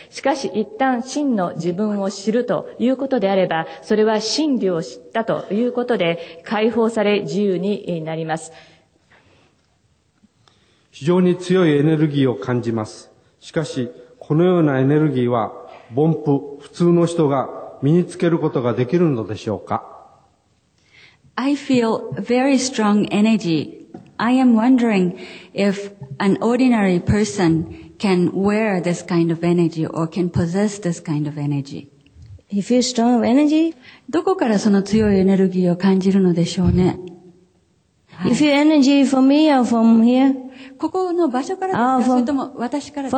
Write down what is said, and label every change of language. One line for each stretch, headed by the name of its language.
Japanese: しかし一旦真の自分を知るということであれば、それは真理を知ったということで解放され自由になります。非常に強いエネルギーを感じます。しかし、このようなエネルギーは凡夫、普通の人が身につけることができるのでしょうか。
English: I feel very strong energy. I am wondering if an ordinary person can wear this kind of energy or can possess this kind of energy. You feel strong energy?
Japanese: どこからその強いエネルギーを感じるのでしょうね。
English: You feel energy from me or from here?
Japanese: ここの場所からですか、それとも私からですか?